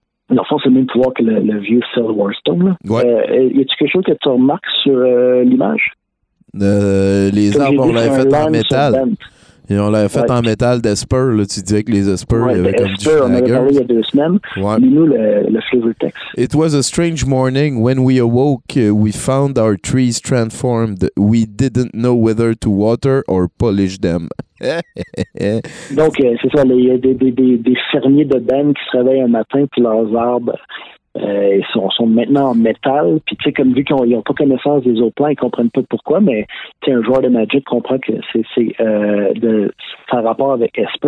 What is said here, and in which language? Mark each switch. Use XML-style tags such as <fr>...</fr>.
<fr>Dans le fond, c'est le même pouvoir que le vieux Phil Warstone. Ouais. Y a-t-il quelque chose que tu remarques sur l'image? Les arbres, on l'avait fait en métal. Et on l'avait fait en métal d'Esper. Là, tu disais que les Esper, ouais, il y avait comme Esper, du Schnagger. On avait parlé il y a deux semaines. Ouais. Lis-nous le flavor text.</fr> <en>It was a strange morning when we awoke. We found our trees transformed. We didn't know whether to water or polish them.</en> <fr>Donc, c'est ça. Il y a des fermiers de Ben qui se réveillent un matin puis leurs arbres sont maintenant en métal. Puis tu sais, comme vu qu'ils n'ont pas connaissance des autres plans, ils comprennent pas pourquoi, mais tu sais, un joueur de Magic comprend que c'est ça a rapport avec Esper.</fr>